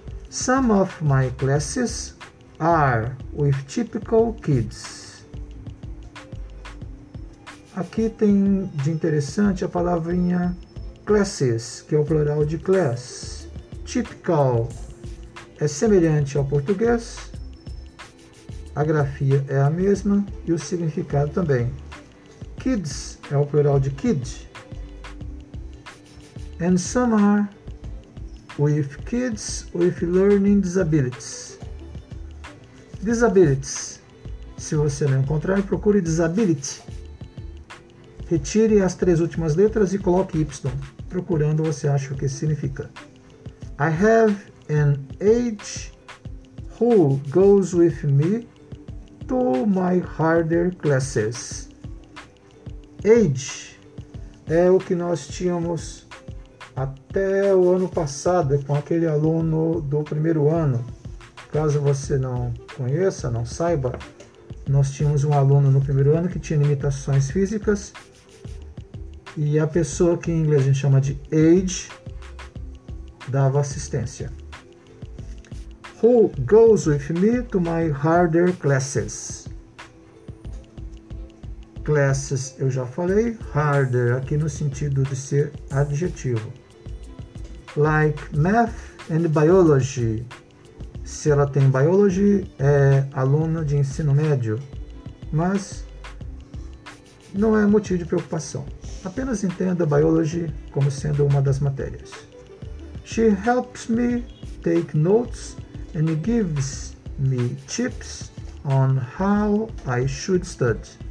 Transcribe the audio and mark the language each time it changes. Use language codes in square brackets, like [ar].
[en] Some of my classes are with typical kids. [pt] Aqui tem de interessante a palavrinha classes, que é o plural de class. Typical é semelhante ao português. A grafia é a mesma e o significado também. Kids é o plural de kid. [en] And some are with kids with learning disabilities. Disabilities. [pt] Se você não encontrar, procure disability. Retire as três últimas letras e coloque Y. procurando, você acha o que significa. [en] I have an age who goes with me to my harder classes. [pt] Age é o que nós tínhamos até o ano passado com aquele aluno do primeiro ano. Caso você não conheça, não saiba, nós tínhamos um aluno no primeiro ano que tinha limitações físicas, e a pessoa que em inglês a gente chama de age dava assistência. [en] Who goes with me to my harder classes? [pt] Classes eu já falei, harder aqui no sentido de ser adjetivo. [en] Like math and biology. [pt] Se ela tem biology, é aluna de ensino médio, mas não é motivo de preocupação. Apenas entenda biology como sendo uma das matérias. [en] She helps me take notes and gives me tips on how I should study.